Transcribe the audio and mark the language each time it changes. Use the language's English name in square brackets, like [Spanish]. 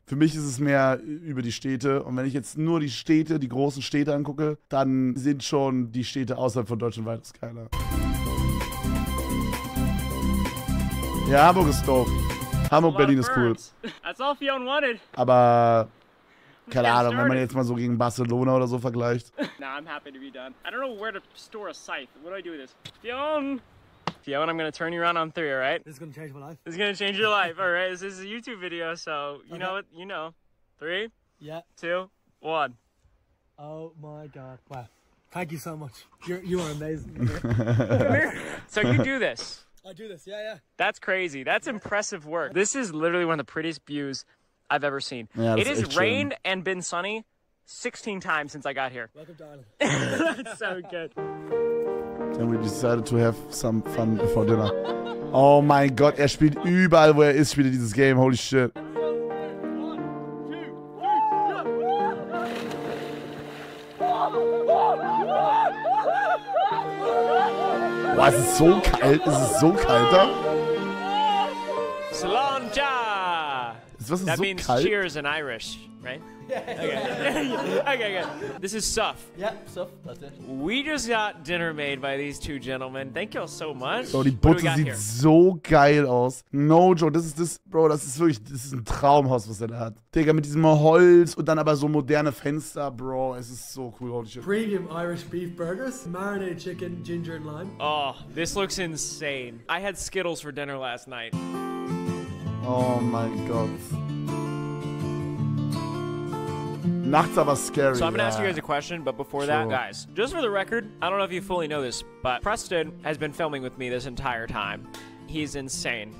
[German] Für mich ist es mehr über die Städte. Und wenn ich jetzt nur die Städte, die großen Städte angucke, dann sind schon die Städte außerhalb von Deutschland weitaus geiler. Ja, Hamburg ist doof. Hamburg, Berlin ist cool. [English] That's all Fionn wanted. [German] Aber keine Ahnung, wenn man jetzt mal so gegen Barcelona oder so vergleicht. [English] Nah, I'm happy to be done. I don't know where to store a scythe. What do I do with this? Fionn, I'm gonna turn you around on three, alright? This is gonna change my life. This is gonna change your life, alright? This is a YouTube video, so you know what? You know. Three? Yeah. Two? One. Oh my god. Wow. Thank you so much. You are amazing. Come here. So you do this. I do this, yeah, yeah. That's crazy. That's impressive work. This is literally one of the prettiest views I've ever seen. Yeah, it has rained and been sunny 16 times since I got here. Welcome, darling. That's so good. And we decided to have some fun before dinner. Oh my god, [German] er spielt überall, wo er ist, spielt dieses Game. [English] Holy shit. [German] Boah, es ist so kalt, es ist so kalt da. [Irish] Slanja! [German] Ist was so kalt? [English] That means cheers in Irish, right? Okay. Okay, good. This is Suf. Yeah, Suf, that's it. We just got dinner made by these two gentlemen. Thank you all so much. [German] So, die Butter sieht so geil aus. [English] No joke, [German] das ist das, Bro, das ist wirklich, das ist ein Traumhaus, was er da hat. Digga, mit diesem Holz und dann aber so moderne Fenster, Bro, es ist so cool. [English] Holy shit. Premium Irish beef burgers, marinated chicken, ginger and lime. Oh, this looks insane. I had Skittles for dinner last night. Oh my god. [German] Nachts aber scary. [English] So I'm gonna ask you guys a question, but before that, guys, just for the record, I don't know if you fully know this, but Preston has been filming with me this entire time. He's insane.